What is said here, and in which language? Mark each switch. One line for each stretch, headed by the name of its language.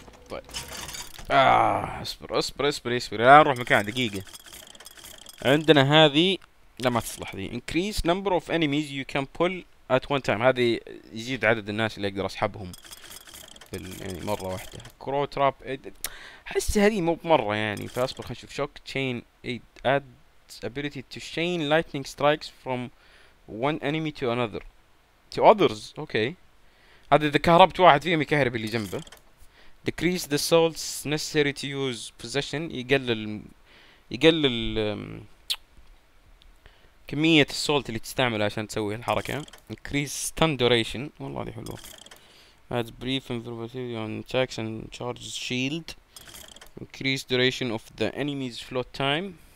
Arabic: طيب اصبر اصبر اصبر اصبر لا نروح مكان. دقيقه عندنا هذه لا ما تصلح.
English: The increase number of enemies you can pull at one time.
Arabic: هذه يزيد عدد الناس اللي اقدر اسحبهم يعني مره واحده. كرو تراب احس هذه مو بمره يعني. فاصبر خلينا نشوف.
English: Shock chain added ability to chain lightning strikes from one enemy to another to others.
Arabic: okay هذا اذا كهربت واحد فيهم يكهرب اللي جنبه.
English: decrease the souls necessary to use possession
Arabic: يقلل كمية السولت اللي تستعمله عشان تسوي الحركة.
English: increase stun duration
Arabic: والله دي حلوة.
English: adds brief invulnerability on attacks and charges shield. increase duration of the enemy's float time.